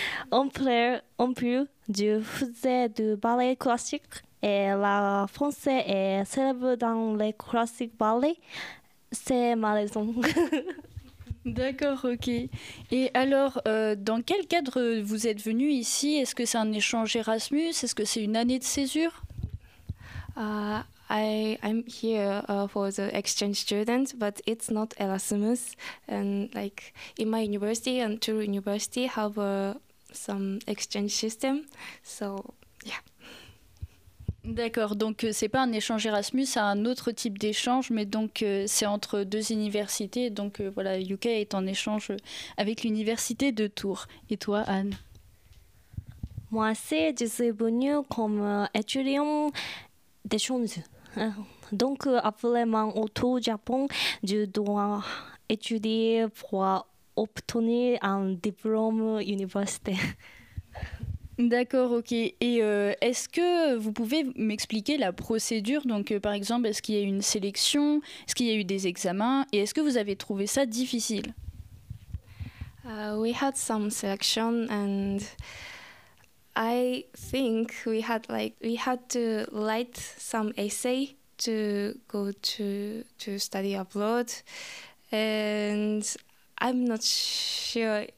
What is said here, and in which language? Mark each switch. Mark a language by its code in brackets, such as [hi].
[fr] En plus, je faisais du ballet classique et la France est célèbre dans les classiques ballets. C'est ma raison. D'accord, ok. Et alors, dans quel cadre vous êtes venue ici? Est-ce que c'est un échange Erasmus? Est-ce que c'est une année de césure? [en] I'm here for the exchange student, but it's not Erasmus. And like in my university and Tours University have some exchange system. So yeah. [fr] D'accord. Donc c'est pas un échange Erasmus, c'est un autre type d'échange, mais donc c'est entre deux universités. Donc voilà, UK est en échange avec l'université de Tours. Et toi, Anne? Moi, c'est je suis venue comme étudiant d'échange. Donc, après mon retour au Japon, je dois étudier pour obtenir un diplôme universitaire. D'accord, ok. Et est-ce que vous pouvez m'expliquer la procédure? Donc, par exemple, est-ce qu'il y a eu une sélection? Est-ce qu'il y a eu des examens? Et est-ce que vous avez trouvé ça difficile? [en] We had some selection and I think we had to write some essay to go to study abroad, and I'm not sure.